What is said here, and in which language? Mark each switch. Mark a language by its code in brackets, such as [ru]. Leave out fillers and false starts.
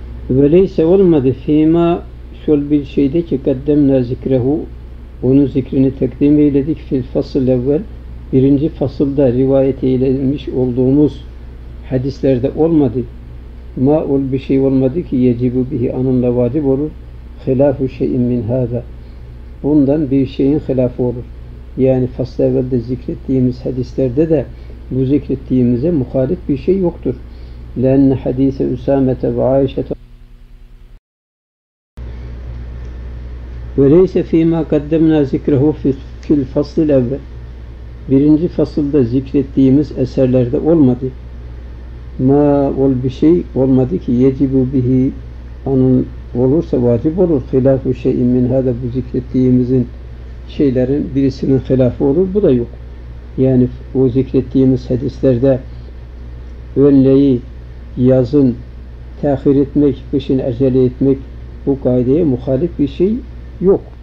[ar] Ve leyse [tr] olmadı [ar] fîmâ [tr] şöl bir şeyde ki [ar] kaddemnâ zikrehu, [tr] onun zikrini tekdim eyledik [ar] fil fasıl evvel, [tr] birinci fasılda rivayet edilmiş olduğumuz hadislerde olmadı. Ma ol bir şey olmadı ki [ar] yecibu bihi, [tr] anında vacip olur. [ar] Hilafu şeyin min hâza, [tr] bundan bir şeyin hilafı olur. Yani fasıl evvelde zikrettiğimiz hadislerde de bu zikrettiğimize muhalif bir şey yoktur. [ar] لَاَنَّ حَد۪يثَ اُسَامَةَ وَعَيْشَةَ وَلَيْسَ ف۪ي مَا قَدَّمْنَا زِكْرَهُ فِي الْفَصْلِ الْاَوَّلِ, [tr] birinci fasılda zikrettiğimiz eserlerde olmadı. [ar] مَا اُلْ بِشَيْءٍ [tr] olmadı ki [ar] يَجِبُ بِهِ, [tr] anın olursa vacip olur. [ar] خِلَافُ شَيْءٍ مِنْ هَذَا, [tr] bu zikrettiğimizin şeylerin birisinin hilafı olur. Bu da yok. Yani o zikrettiğimiz hadislerde önleyi yazın tehir etmek, kışın acele etmek, bu kaideye muhalif bir şey yok.